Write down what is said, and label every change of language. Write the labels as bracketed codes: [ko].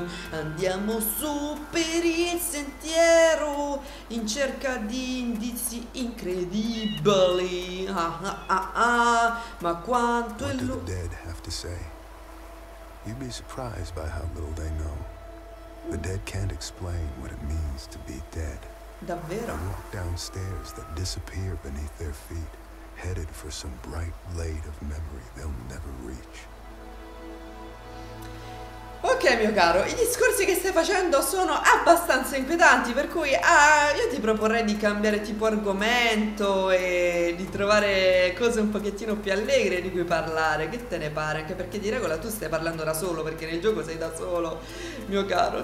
[it] Andiamo su per il sentiero in cerca di indizi incredibili. Ma quanto è lungo. [en] What do the dead have to say? You'd be surprised by how little they know. The dead can't explain what it means to be dead. [it] Davvero? [en] They walk down stairs that disappear beneath their feet, headed for some bright blade of memory they'll never reach. [it] Ok, mio caro, i discorsi che stai facendo sono abbastanza inquietanti, per cui io ti proporrei di cambiare tipo argomento e di trovare cose un pochettino più allegre di cui parlare. Che te ne pare? Anche perché di regola tu stai parlando da solo, perché nel gioco sei da solo, mio caro.